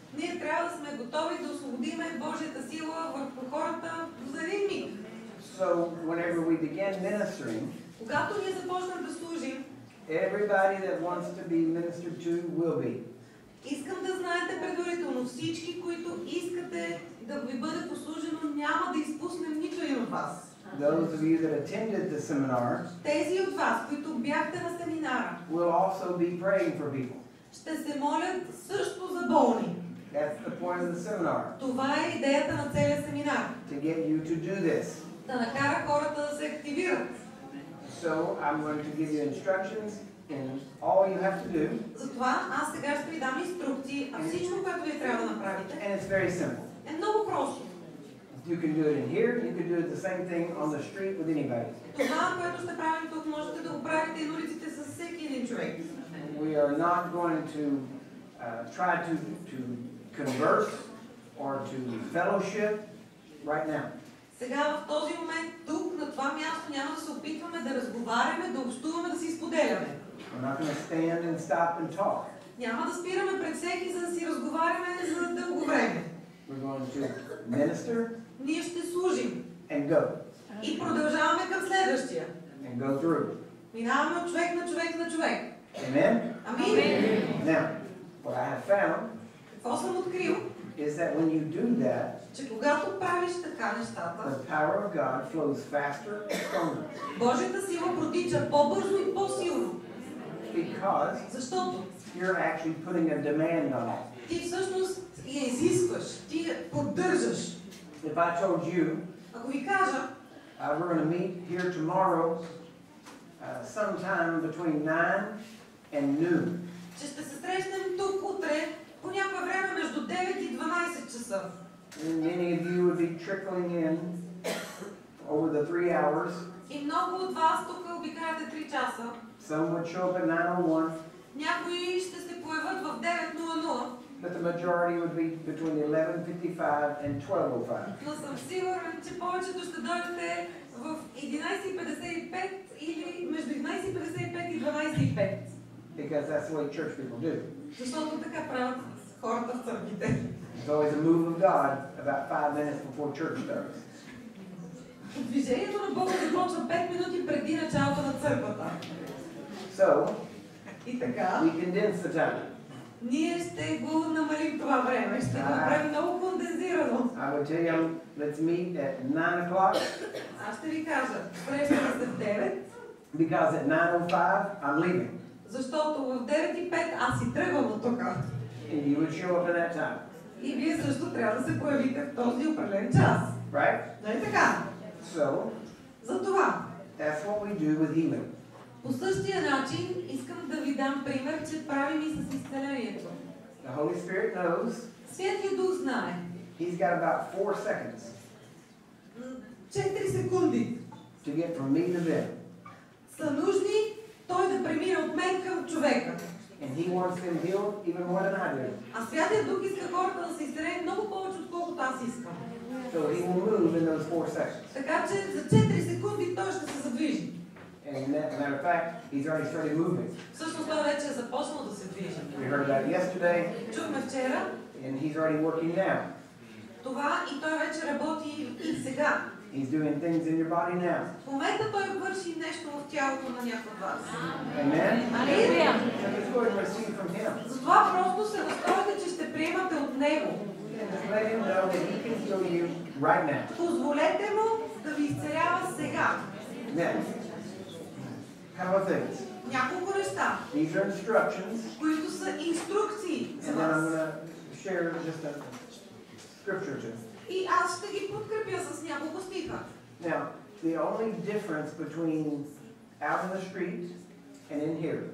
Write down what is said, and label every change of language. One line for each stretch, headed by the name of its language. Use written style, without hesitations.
Bulgarian: Ние трябва да сме готови да освободим Божията сила върху хората за един миг.
English: So whenever we begin ministering,
Bulgarian: когато ние започнем да служим,
English: everybody that wants to be ministered to will be.
Bulgarian: Искам да знаете предварително, всички, които искате да ви бъде послужено, няма да изпуснем нито един от вас.
English: Those of you that attended the seminar,
Bulgarian: тези от вас, които бяхте на семинара,
English: will also be praying for people.
Bulgarian: Ще се молят също за болни.
English: That's the point of the seminar.
Bulgarian: Това е идеята на целия семинар.
English: To get you to do this.
Bulgarian: Да накара хората да се активират.
English: So I'm going to give you instructions and all you have to do.
Bulgarian: Затова аз сега ще ви дам инструкции, а всичко, което ви трябва да направите.
English: And it's very simple.
Bulgarian: Е много просто.
English: You can do it in here, you can do it the same thing on the street with anybody.
Bulgarian: Това, което ще правим тук, можете да го правите и на улиците с всеки един човек.
English: We are not going to try to converse or to fellowship right now.
Bulgarian: Сега в този момент тук на това място няма да се опитваме да разговаряме, да общуваме, да си споделяме.
English: We're not going to stand and stop and talk.
Bulgarian: Няма да спираме пред всеки, за да си разговаряме за дълго време.
English: We're going to minister.
Bulgarian: Ние ще служим.
English: And go.
Bulgarian: И продължаваме към следващия.
English: And go through.
Bulgarian: Минаваме от човек на човек на човек.
English: Amen. Amen. Now, what I have found,
Bulgarian: какво съм открил,
English: is that when you do that,
Bulgarian: че когато правиш така нещата,
English: the power of God flows faster and stronger.
Bulgarian: Божията сила протича по-бързо и по-силно.
English: Because,
Bulgarian: защото,
English: you're actually putting a demand on it.
Bulgarian: Ти всъщност я изискваш, ти я поддържаш.
English: If I told you,
Bulgarian: ако ви кажа,
English: we're going to meet here tomorrow, sometime between 9 and noon.
Bulgarian: Че ще се срещнем тук утре по някое време между 9 и 12 часа.
English: And many of you would be trickling in over the 3 hours.
Bulgarian: И много от вас тук обикаляте 3 часа.
English: Some would show up at 9:01.
Bulgarian: Някои ще се появят в 9:00.
English: But the majority would be between 11:55 and 12:05.
Bulgarian: Но съм сигурен, че повечето ще дойдете в 11:55. Или между 11:55 и 12:05.
English: Because that's what church people do.
Bulgarian: Защото така правят хората в църквите.
English: It's always a move of God about 5 minutes before church starts.
Bulgarian: Движението на Бога започва 5 минути преди началото на църквата.
English: So,
Bulgarian: и така,
English: we condense the time.
Bulgarian: Ние ще го намалим това време, ще го направим много кондензирано.
English: I would tell you, let's meet at 9:00.
Bulgarian: Аз ще ви кажа, срещаме се в 9.
English: Because at 9:05, I'm leaving.
Bulgarian: Защото в 9:05 аз си тръгвам от тук.
English: And you would show up at that time.
Bulgarian: И вие също трябва да се появите в този определен час.
English: Right?
Bulgarian: Нали така?
English: So,
Bulgarian: затова,
English: that's what we do with email.
Bulgarian: По същия начин искам да ви дам пример, че правим и с изцелението.
English: The Holy Spirit knows.
Bulgarian: Святият Дух знае.
English: He's got about 4 seconds.
Bulgarian: 4 секунди.
English: To get from me to them.
Bulgarian: Са нужни той да премине от мен към човека.
English: And he wants them healed even more than I do.
Bulgarian: А Святият Дух иска хората да се изцелят много повече, отколкото аз искам.
English: So he will move in those 4 seconds.
Bulgarian: Така че за 4 секунди той ще се задвижи.
English: And that, as a matter of fact, he's already started moving.
Bulgarian: Всъщност той вече е започнал да се движи.
English: We heard that yesterday.
Bulgarian: Чухме вчера.
English: And he's already working now.
Bulgarian: Това и той вече работи и сега.
English: He's doing things in your body now.
Bulgarian: В момента той върши нещо в тялото на някой от вас.
English: Amen.
Bulgarian: Алилуя.
English: Let's go and receive from him.
Bulgarian: Затова просто се настроите, че ще приемате от него.
English: Just let him know that he can heal you right now.
Bulgarian: Позволете му да ви изцелява сега.
English: Now. How are things?
Bulgarian: Няколко неща.
English: These are instructions.
Bulgarian: Които са инструкции.
English: And then I'm going to share just a scripture to.
Bulgarian: И аз ще ги подкрепя с няколко стиха.
English: Now, the only difference between out in the street and in here.